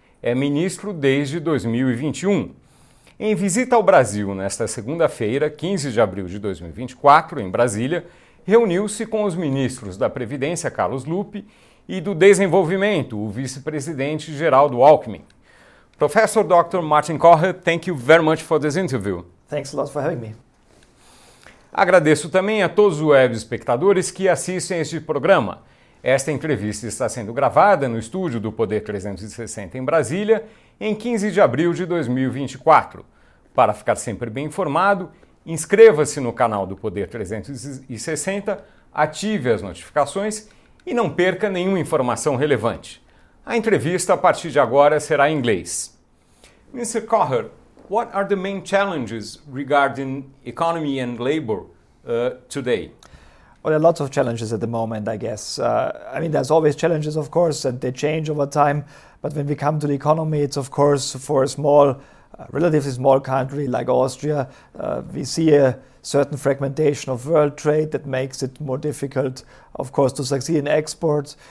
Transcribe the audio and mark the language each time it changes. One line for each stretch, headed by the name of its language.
Portuguese: É ministro desde 2021. Em visita ao Brasil nesta segunda-feira, 15 de abril de 2024, em Brasília, reuniu-se com os ministros da Previdência, Carlos Luppi, e do Desenvolvimento, o vice-presidente Geraldo Alckmin. Professor Dr.
English: Martin Kocher, thank you very much for this interview. Thanks a lot for having me.
Portuguese: Agradeço também a todos os web espectadores que assistem a este programa. Esta entrevista está sendo gravada no estúdio do Poder 360 em Brasília, em 15 de abril de 2024. Para ficar sempre bem informado, inscreva-se no canal do Poder 360, ative as notificações e não perca nenhuma informação relevante. A entrevista, a partir de agora, será em inglês.
English: Mr. Kocher, what are the main challenges regarding economy and labor today? Well, there are lots of challenges at the moment, I guess. I mean, there's always challenges, of course, and they change over time. But when we come to the economy, it's, of course, for a small, relatively small country like Austria, we see a certain fragmentation of world trade that makes it more difficult, of course, to succeed in exports.